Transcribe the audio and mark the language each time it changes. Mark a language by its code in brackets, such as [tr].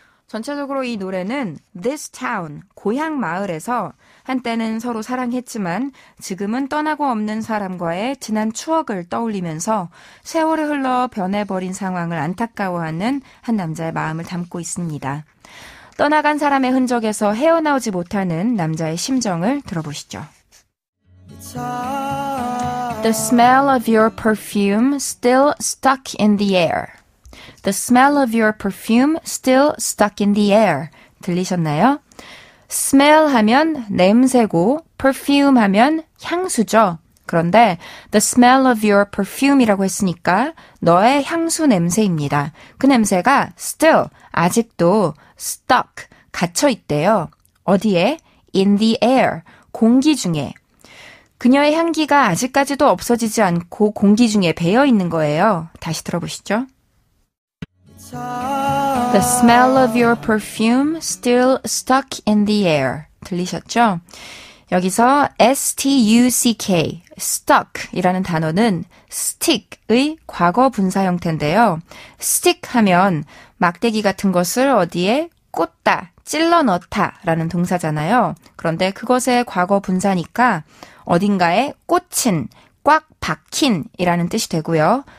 [ko] 전체적으로 이 노래는 This Town, 고향 마을에서 한때는 서로 사랑했지만 지금은 떠나고 없는 사람과의 지난 추억을 떠올리면서 세월이 흘러 변해버린 상황을 안타까워하는 한 남자의 마음을 담고 있습니다. 떠나간 사람의 흔적에서 헤어나오지 못하는 남자의 심정을 들어보시죠. [en] The smell of your perfume still stuck in the air. The smell of your perfume still stuck in the air. [ko] 들리셨나요? smell 하면 냄새고 perfume 하면 향수죠. 그런데 [en] the smell of your perfume [ko] 이라고 했으니까 너의 향수 냄새입니다. 그 냄새가 still 아직도 stuck 갇혀 있대요. 어디에? [en] In the air [ko] 공기 중에. 그녀의 향기가 아직까지도 없어지지 않고 공기 중에 배어 있는 거예요. 다시 들어보시죠. [en] The smell of your perfume still stuck in the air. [ko] 들리셨죠? 여기서 S-T-U-C-K, stuck이라는 단어는 stick의 과거 분사 형태인데요. stick 하면 막대기 같은 것을 어디에 꽂다, 찔러 넣다 라는 동사잖아요. 그런데 그것의 과거 분사니까 어딘가에 꽂힌, 꽉 박힌 이라는 뜻이 되고요.